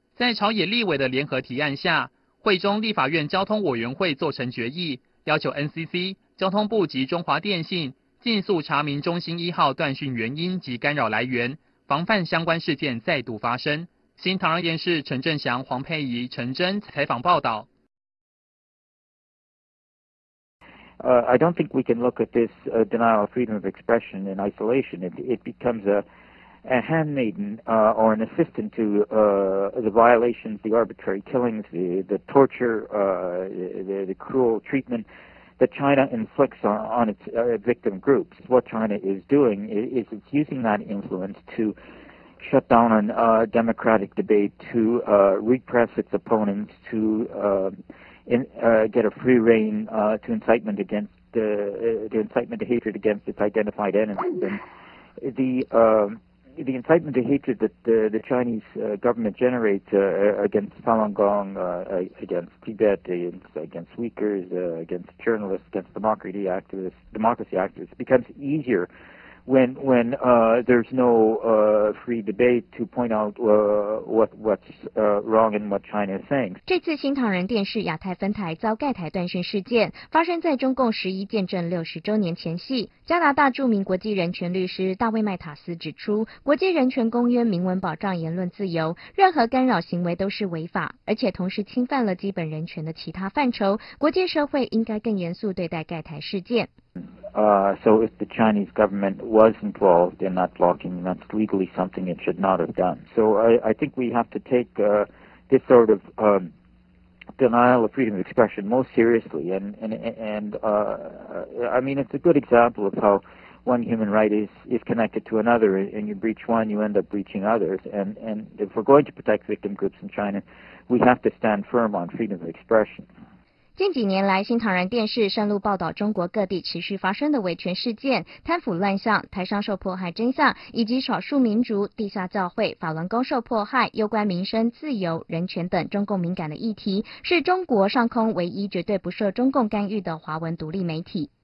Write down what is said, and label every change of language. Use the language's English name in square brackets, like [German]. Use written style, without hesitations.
[Chinese] 在朝野立委的联合提案下，会中立法院交通委员会做成决议，要求 NCC、 交通部及中华电信尽速查明中兴一号断讯原因及干扰来源，防范相关事件再度发生。新唐人电视陈振祥、黄佩仪、陈真采访报道。 [English] I don't think we can look at this denial of freedom of expression in isolation. It becomes a handmaiden or an assistant to the violations, the arbitrary killings, the torture, the cruel treatment that China inflicts on its victim groups. What China is doing is it's using that influence to shut down an democratic debate, to repress its opponents, to get a free rein to incitement against the incitement to hatred against its identified enemies. And the incitement to hatred that the Chinese government generates against Falun Gong, against Tibet, against Uyghurs, against journalists, against democracy activists, becomes easier when there's no free debate to point out what's wrong and what China is saying. [Chinese] 这次新唐人电视亚太分台遭盖台断讯事件发生在中共十一建政60周年前夕。加拿大著名国际人权律师大卫麦塔斯指出，国际人权公约明文保障言论自由，任何干扰行为都是违法，而且同时侵犯了基本人权的其他范畴，国际社会应该更严肃对待盖台事件。 [English] So if the Chinese government was involved in that blocking, that's legally something it should not have done. So I think we have to take this sort of denial of freedom of expression most seriously. And I mean, it's a good example of how one human right is connected to another, and you breach one, you end up breaching others. And if we're going to protect victim groups in China, we have to stand firm on freedom of expression. [Chinese] 近几年来，新唐人电视深入报道中国各地持续发生的维权事件、贪腐乱象、台商受迫害真相，以及少数民族、地下教会、法轮功受迫害、攸关民生、自由、人权等中共敏感的议题，是中国上空唯一绝对不受中共干预的华文独立媒体。